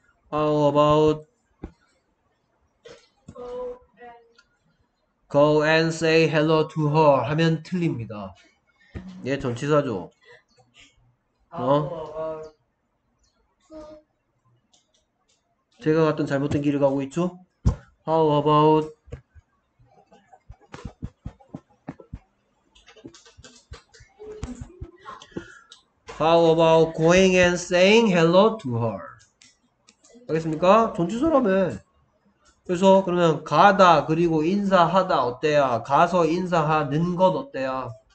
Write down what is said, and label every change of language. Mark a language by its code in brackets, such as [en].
[en] How about go and say hello to her [ko] 하면 틀립니다. 얘 전치사죠. [en] 어? How about [ko] 제가 갔던 잘못된 길을 가고 있죠? [en] How about going and saying hello to her? [ko] 알겠습니까? 전치사라며. 그래서 그러면 가다 그리고 인사하다 어때야? 가서 인사하는 것 어때야?